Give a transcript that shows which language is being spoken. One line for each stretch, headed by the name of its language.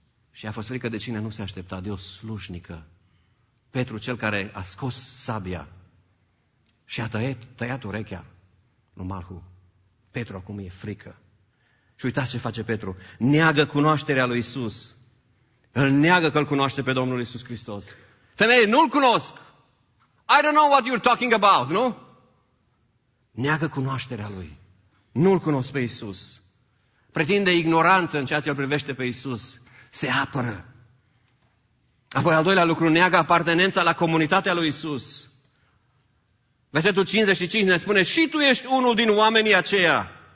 Romanian: Și a fost frică de cine nu se aștepta, de o slujnică. Petru, cel care a scos sabia și a tăiat urechea lui Marhu. Petru acum e frică. Și uitați ce face Petru. Neagă cunoașterea lui Iisus. Îl neagă că îl cunoaște pe Domnul Iisus Hristos. Femeie, nu-l cunosc.
English: I don't know what you're talking about, nu?
Romanian: Neagă cunoașterea lui. Nu-l cunosc pe Iisus. Pretinde ignoranță în ceea ce îl privește pe Iisus. Se apără. Apoi al doilea lucru, neagă apartenența la comunitatea lui Iisus. Versetul 55 ne spune, și tu ești unul din oamenii aceia.